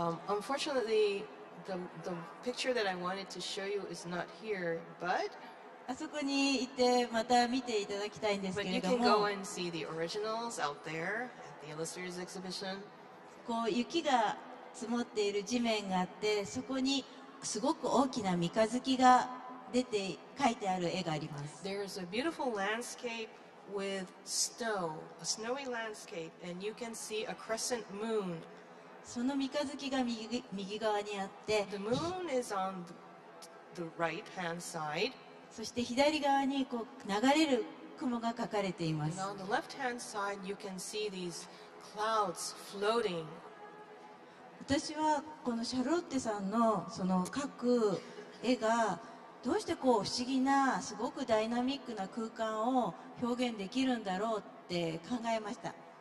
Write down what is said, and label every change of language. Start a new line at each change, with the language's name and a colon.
English: Unfortunately,The picture that I wanted to show you is not here, but
Japanese: あそこにいてまた見ていただきたいんですけれども
English: But you can go and see the originals out there at the Illustrators exhibition.
Japanese: こう雪が積もっている地面があってそこにすごく大きな三日月が出て描いてある絵があります
English: There's a beautiful landscape with snow, a snowy landscape, and you can see a crescent moon
Japanese: その三日月が 右側にあって
English: The moon is on the right hand side.
Japanese: そして左側にこう流れる雲が描かれています
English: And on the left hand side, you can see these clouds floating.
Japanese: 私はこのシャロッテさんのその描く絵がどうしてこう不思議なすごくダイナミックな空間を表現できるんだろうって考えました